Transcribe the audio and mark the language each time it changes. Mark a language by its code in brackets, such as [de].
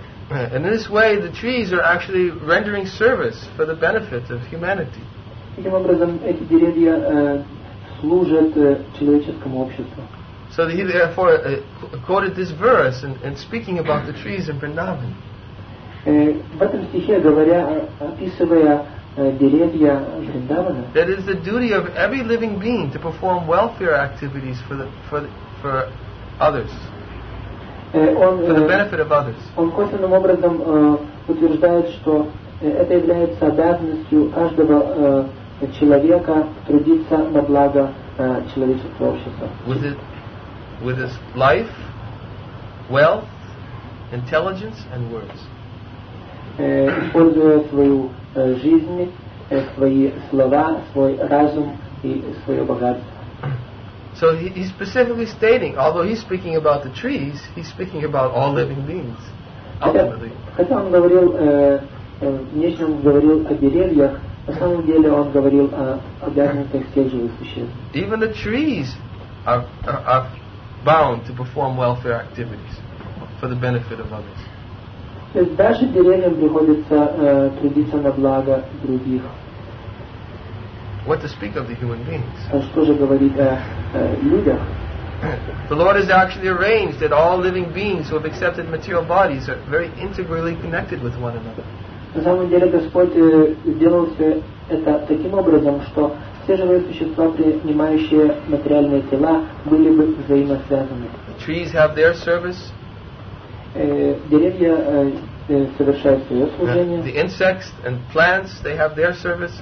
[en] And in this way, the trees are actually rendering service for the benefit of humanity. [ru] Таким образом, эти деревья служат человеческому обществу. [en] So he therefore quoted this verse and speaking about the trees in Vrindavan. [ru] В этом стихе говоря, описывая деревья Вриндавана. [en] That is the duty of every living being to perform welfare activities for others. For the benefit of others. [ru] Он косвенным образом утверждает, что это является обязанностью каждого человека трудиться на благо человеческого общества. [en] With his life, wealth, intelligence, and words. [ru] Используя свою жизнь, свои слова, свой разум и свое богатство. [en] So he's specifically stating, although he's speaking about the trees, he's speaking about all living beings, ultimately. [ru] Хотя он говорил, нечто он говорил о деревьях, на самом деле он говорил о обязанностях всех живых существ. [en] Even the trees are bound to perform welfare activities for the benefit of others. [ru] То есть даже деревьям приходится трудиться на благо других. [en] What to speak of the human beings? [ru] Что же говорить о людях? [en] The Lord has actually arranged that all living beings who have accepted material bodies are very integrally connected with one another. [ru] На самом деле Господь сделал все это таким образом, что все живые существа, принимающие материальные тела, были бы взаимосвязаны. [en] The trees have their service. [ru] Деревья совершают свое служение. [en] The insects and plants, they have their service.